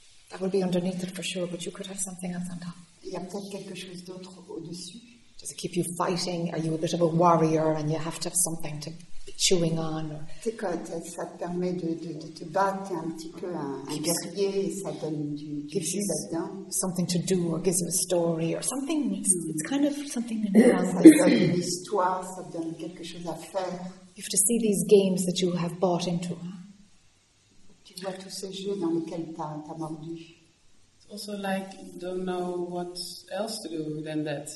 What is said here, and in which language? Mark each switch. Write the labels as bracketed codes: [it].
[en] That would be underneath it for sure, but you could have something else on top. [fr] Il y a peut-être quelque chose d'autre au-dessus. [en] Does it keep you fighting? Are you a bit of a warrior and you have to have something to be chewing on? [fr] Ça te permet de te battre un petit peu, un guerrier, ça donne du jus là-dedans. [en] Something to do or gives you a story or something. It's kind of something in [fr] the ça donne une histoire, ça donne quelque chose à faire. [en] You have to see these games that you have bought into. [fr] Tu vois tous ces jeux dans lesquels t'as mordu. [en] It's also like don't know what else to do than that.